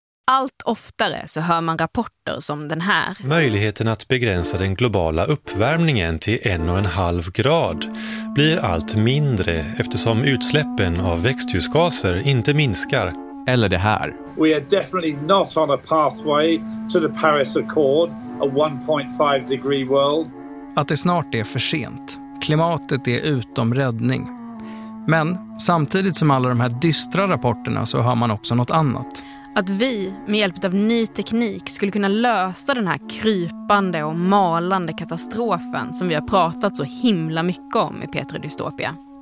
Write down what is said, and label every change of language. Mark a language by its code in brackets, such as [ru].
[sv] Allt oftare så hör man rapporter som den här. Möjligheten att begränsa den globala uppvärmningen till 1,5 grad blir allt mindre eftersom utsläppen av växthusgaser inte minskar. Eller det här. [en] We are definitely not on a pathway to the Paris Accord, a 1.5 degree world. [sv] Att det snart är för sent. Klimatet är utom räddning. Men samtidigt som alla de här dystra rapporterna så hör man också något annat. Att vi med hjälp av ny teknik skulle kunna lösa den här krypande och malande katastrofen som vi har pratat så himla mycket om i Petri Dystopia.